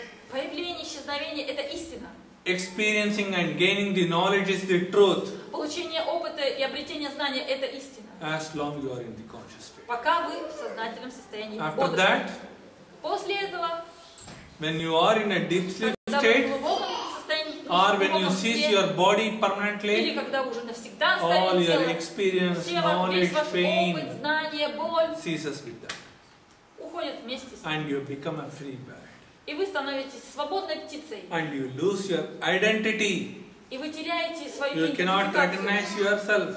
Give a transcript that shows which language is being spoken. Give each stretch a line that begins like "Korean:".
Russian: Появление, исчезновение – это истина.
English: Experiencing and gaining the knowledge is the truth.
Russian: Получение опыта и обретение знания – это истина.
English: As long you are in the consciousness.
Russian: Пока вы в сознательном состоянии.
English: After that,
Russian: после этого,
English: when you are in a deep sleep state, or when you cease your body permanently,
Russian: или когда уже навсегда оставите тело,
English: all your experience, knowledge, pain,
Russian: опыт, знание, боль,
English: ceases with that.
Russian: Уходят вместе с ним.
English: And you become a free bird.
Russian: И вы становитесь свободной птицей.
English: And you lose your identity.
Russian: И вы теряете свою
English: you cannot recognize yourself.